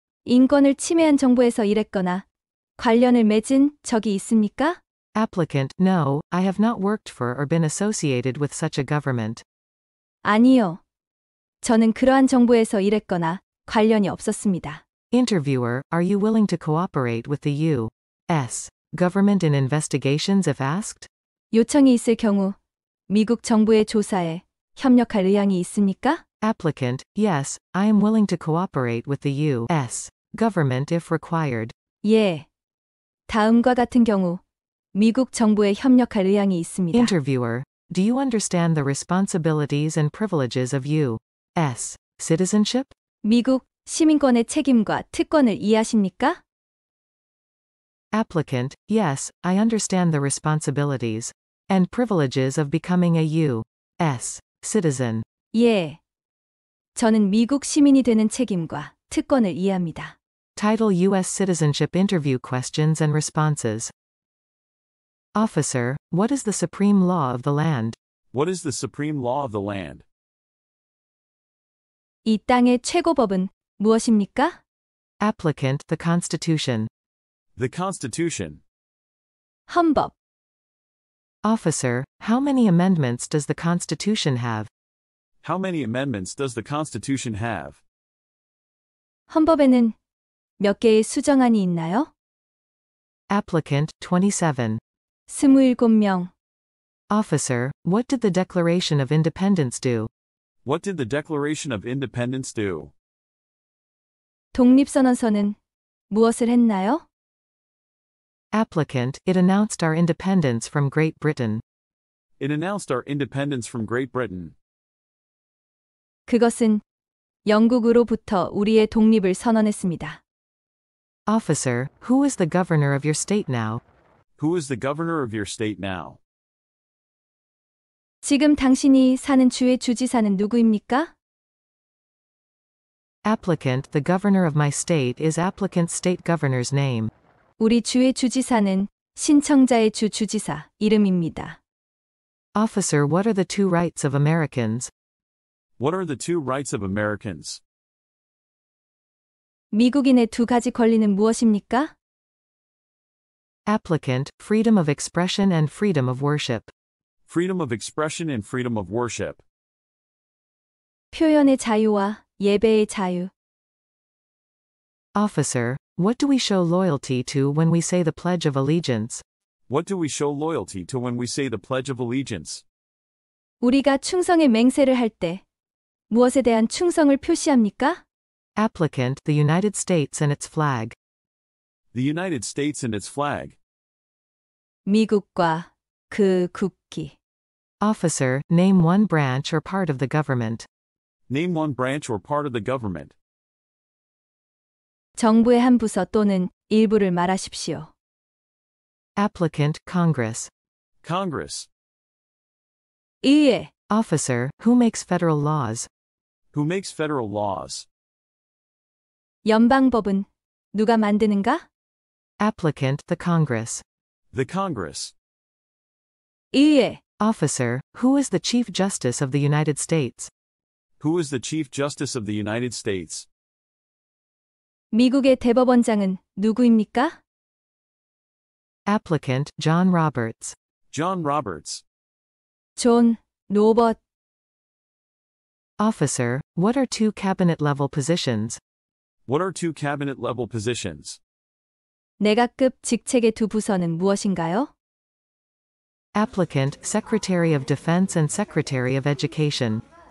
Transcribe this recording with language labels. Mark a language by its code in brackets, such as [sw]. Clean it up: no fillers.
[ko] 인권을 침해한 정부에서 일했거나 관련을 맺은 적이 있습니까? [en] Applicant, no, I have not worked for or been associated with such a government. [ko] 아니요, 저는 그러한 정부에서 일했거나 관련이 없었습니다. [en] Interviewer, are you willing to cooperate with the U.S. government in investigations if asked? [ko] 요청이 있을 경우 미국 정부의 조사에 협력할 의향이 있습니까? [en] Applicant, yes, I am willing to cooperate with the U.S. government if required. [ko] 예, 다음과 같은 경우 미국 정부에 협력할 의향이 있습니다. [en] Interviewer, do you understand the responsibilities and privileges of U.S. citizenship? [ko] 미국 시민권의 책임과 특권을 이해하십니까? [en] Applicant, yes, I understand the responsibilities and privileges of becoming a U.S. citizen. [ko] 예, 저는 미국 시민이 되는 책임과 특권을 이해합니다. [en] Title U.S. Citizenship Interview Questions and Responses. Officer, what is the supreme law of the land? What is the supreme law of the land? [ko] 이 땅의 최고법은 무엇입니까? [en] Applicant, the Constitution. The Constitution. [ko] 헌법. [en] Officer, how many amendments does the Constitution have? How many amendments does the Constitution have? [ko] 헌법에는 몇 개의 수정안이 있나요? [en] Applicant, 27. [ko] 27명. [en] Officer, what did the Declaration of Independence do? What did the Declaration of Independence do? [ko] 독립선언서는 무엇을 했나요? [en] Applicant, it announced our independence from Great Britain. It announced our independence from Great Britain. [ko] 그것은 영국으로부터 우리의 독립을 선언했습니다. [en] Officer, who is the governor of your state now? Who is the governor of your state now? [ko] 지금 당신이 사는 주의 주지사는 누구입니까? [en] Applicant, the governor of my state is applicant state governor's name. [ko] 우리 주의 주지사는 신청자의 주 주지사 이름입니다. [en] Officer, what are the two rights of Americans? What are the two rights of Americans? [ko] 미국인의 두 가지 권리는 무엇입니까? [en] Applicant, freedom of expression and freedom of worship. Freedom of expression and freedom of worship. [ko] 표현의 자유와 예배의 자유. [en] Officer, what do we show loyalty to when we say the Pledge of Allegiance? What do we show loyalty to when we say the Pledge of Allegiance? [ko] 우리가 충성의 맹세를 할 때 무엇에 대한 충성을 표시합니까? [en] Applicant, the United States and its flag. The United States and its flag. [ko] 미국과 그 국기. [en] Officer, name one branch or part of the government. Name one branch or part of the government. [ko] 정부의 한 부서 또는 일부를 말하십시오. [en] Applicant, Congress. Congress. [ko] 의회. [en] Officer, who makes federal laws? Who makes federal laws? [ko] 연방법은 누가 만드는가? [en] Applicant, the Congress. The Congress. [ko] 의회. [en] Officer, who is the Chief Justice of the United States? Who is the Chief Justice of the United States? [ko] 미국의 대법원장은 누구입니까? [en] Applicant, John Roberts. John Roberts. John Roberts. Officer, what are two cabinet-level positions? What are two cabinet-level positions? [ko] 내각급 직책의 두 부서는 무엇인가요? [en] Applicant, Secretary of Defense and Secretary of Education.